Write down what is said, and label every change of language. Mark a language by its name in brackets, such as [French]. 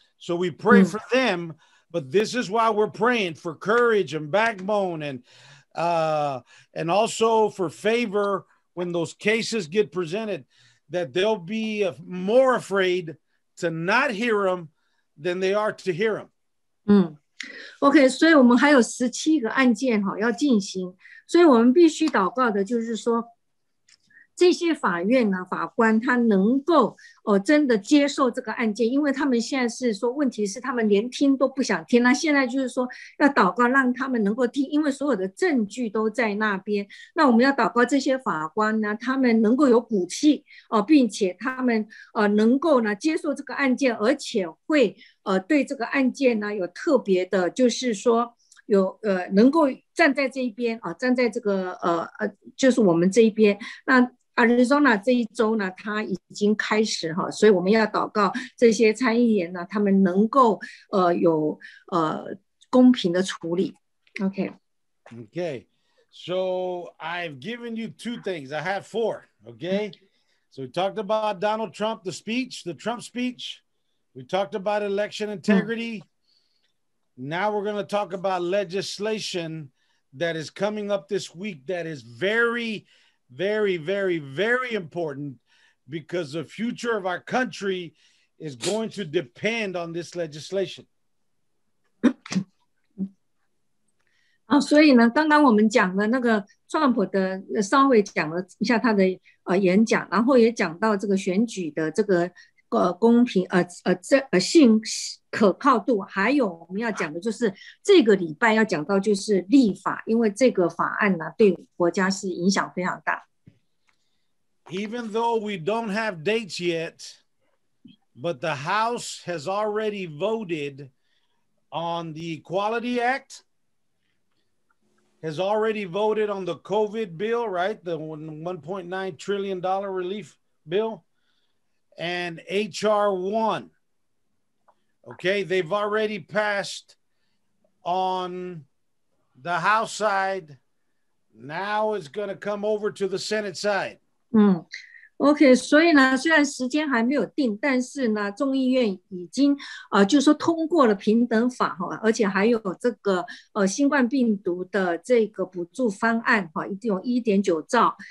[English] So we pray for them. But this is why we're praying for courage and backbone and also for favor when those cases get presented, that they'll be more afraid to not hear them than they are to hear them. [Chinese] OK, 所以我们还有17个案件要进行。所以我们必须祷告的就是说这些法院呢法官他能够真的接受这个案件因为他们现在是说问题是他们连听都不想听那现在就是说要祷告让他们能够听因为所有的证据都在那边那我们要祷告这些法官呢他们能够有骨气并且他们能够呢接受这个案件而且会对这个案件呢有特别的就是说有能够站在这一边站在这个就是我们这一边那 Arizona 这一周呢它已经开始所以我们要祷告这些参议员呢他们能够有公平的处理 OK [English] OK So I've given you two things I have four OK So we talked about Donald Trump the speech the Trump speech We talked about election integrityNow we're going to talk about legislation that is coming up this week that is very, very, very, very important because the future of our country is going to depend on this legislation. [Chinese] 好，所以呢，刚刚我们讲了那个川普的，稍微讲了一下他的演讲，然后也讲到这个选举的这个公平信可靠度，还有我们要讲的就是这个礼拜要讲到就是立法，因为这个法案呢、啊、对国家是影响非常大。 [English] Even though we don't have dates yet, but the House has already voted on the Equality Act, has already voted on the COVID bill, right? The $1.9 trillion relief bill and H.R. 1. Okay, they've already passed on the House side. Now it's going to come over to the Senate side. [Chinese] 嗯 ，OK， 所以呢，虽然时间还没有定，但是呢，众议院已经就是说通过了平等法哈，而且还有这个新冠病毒的这个补助方案哈，一定有 1.9 兆。